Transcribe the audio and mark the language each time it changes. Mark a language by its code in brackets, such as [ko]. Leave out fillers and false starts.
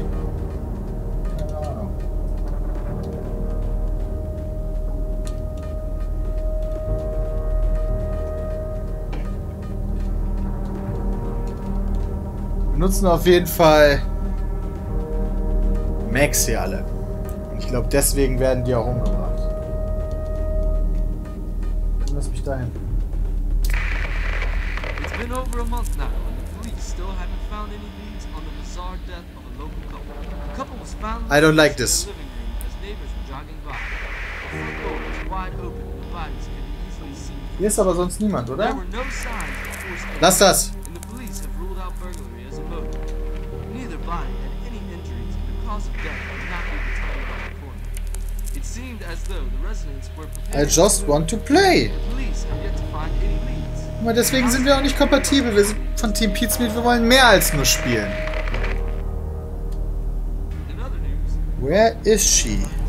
[de] Wir nutzen auf jeden Fall Max hier alle. Und ich glaube, deswegen werden die auch umgebracht. Dann lass mich dahin. [en] It's been over a month now and the police still haven't found any leads on the bizarre death of a local couple. The couple was found in the living room as neighbors were jogging by. The front door was wide open and the bodies could be easily seen. [de] Hier ist aber sonst niemand, oder? Lass das! [en] And the police have ruled out burglary as a motive. Neither body had any injuries and the cause of death was not able to tell about the corner. It seemed as though the residents were prepared. I just want to play! The police have yet to find any leads. [de] Aber deswegen sind wir auch nicht kompatibel. Wir sind von Team Pizmeet, wir wollen mehr als nur spielen. [en] Where is she?